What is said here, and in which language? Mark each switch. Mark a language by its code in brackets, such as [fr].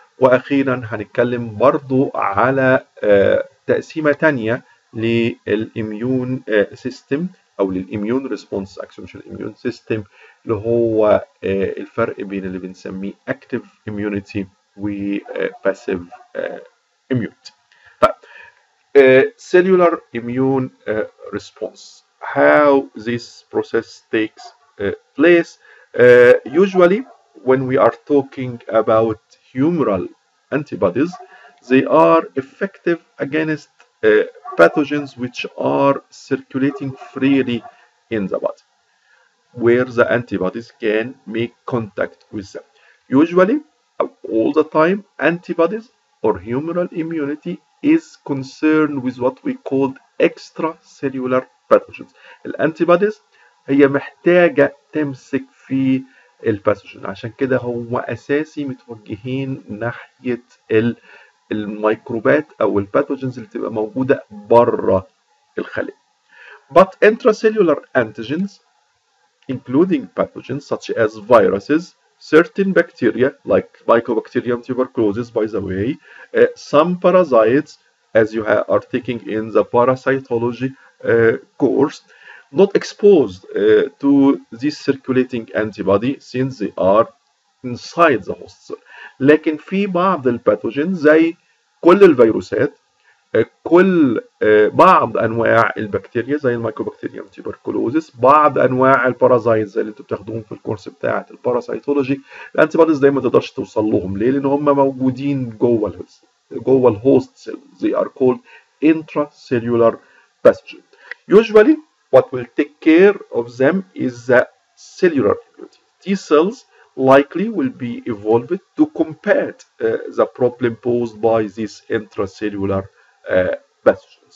[ar] واخيرا هنتكلم برضو على تقسيمه ثانيه للاميون سيستم او للاميون [en] response action immune system, [ar] اللي هو الفرق بين اللي بنسميه [en] Active immunity وباسيف immunity. Cellular immune response. How this process takes place? Usually, when we are talking about humoral antibodies, they are effective against pathogens which are circulating freely in the body, where the antibodies can make contact with them. Usually, all the time, antibodies or humoral immunity is concerned with what we call extracellular pathogens. [ar] الانتيبوديز هي محتاجة تمسك في الباثوجين، عشان كده هو أساسي متوجهين ناحية الميكروبات أو الباثوجينز اللي تبقى موجودة بره الخلية. [en] But intracellular antigens including pathogens such as viruses, certain bacteria like mycobacterium tuberculosis by the way, some parasites as you are taking in the parasitology course, not exposed to this circulating antibody since they are inside the host cell. [ar] لكن في بعض الباثوجين زي كل الفيروسات، كل بعض انواع البكتيريا زي المايكوبكتيريوم تيبركلوزيس، بعض انواع البارازايت زي اللي انتوا بتاخدوهم في الكورس بتاعه الباراسايتولوجي، الانتيبوديز دايما ما تقدرش توصل لهم. ليه؟ لان هم موجودين جوه الهوست سيل. [en] They are called intracellular pathogen. Usually what will take care of them is the cellular immunity. T cells likely will be evolved to combat the problem posed by this intracellular pathogen.